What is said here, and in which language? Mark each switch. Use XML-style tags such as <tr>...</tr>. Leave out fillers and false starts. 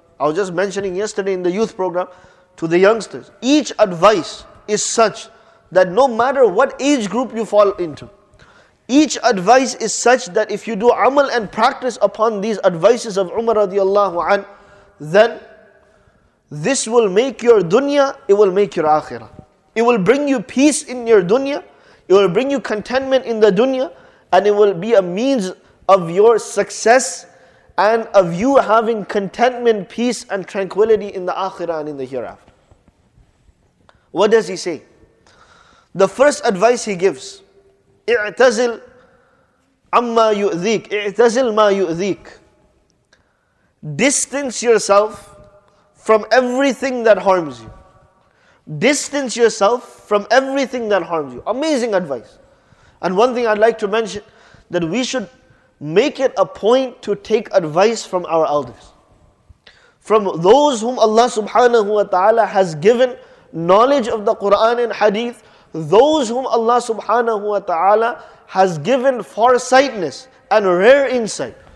<en>I was just mentioning yesterday in the youth program to the youngsters, each advice is such that no matter what age group you fall into, each advice is such that if you do amal and practice upon these advices of Umar radiallahu an, then this will make your dunya, it will make your akhirah. It will bring you peace in your dunya, it will bring you contentment in the dunya, and it will be a means of your success and of you having contentment, peace, and tranquility in the akhirah and in the hereafter. What does he say? The first advice he gives,</en> <ar>اعتزل عما يؤذيك, اعتزل ما يؤذيك.</ar> <en>Distance yourself from everything that harms you. Distance yourself from everything that harms you. Amazing advice. And one thing I'd like to mention, that we should make it a point to take advice from our elders, from those whom Allah subhanahu wa ta'ala has given knowledge of the Quran and Hadith, those whom Allah subhanahu wa ta'ala has given farsightness and rare insight.</en>